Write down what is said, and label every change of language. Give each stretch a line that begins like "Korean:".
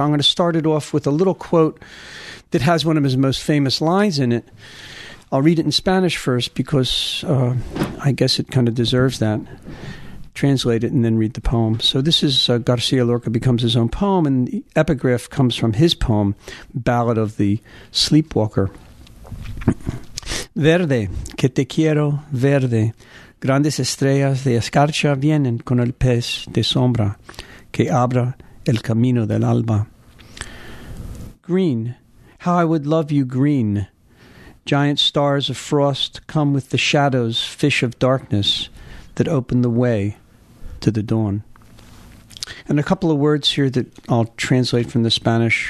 English: I'm going to start it off with a little quote that has one of his most famous lines in it. I'll read it in Spanish first because I guess it kind of deserves that. Translate it and then read the poem. So this is Garcia Lorca becomes his own poem, and the epigraph comes from his poem, Ballad of the Sleepwalker.
Spanish: Verde, que te quiero, verde. Grandes estrellas de escarcha vienen con el pez de sombra que abra el camino del alba.
English: Green, how I would love you, green. Giant stars of frost come with the shadows, fish of darkness that open the way to the dawn. And a couple of words here that I'll translate from the Spanish.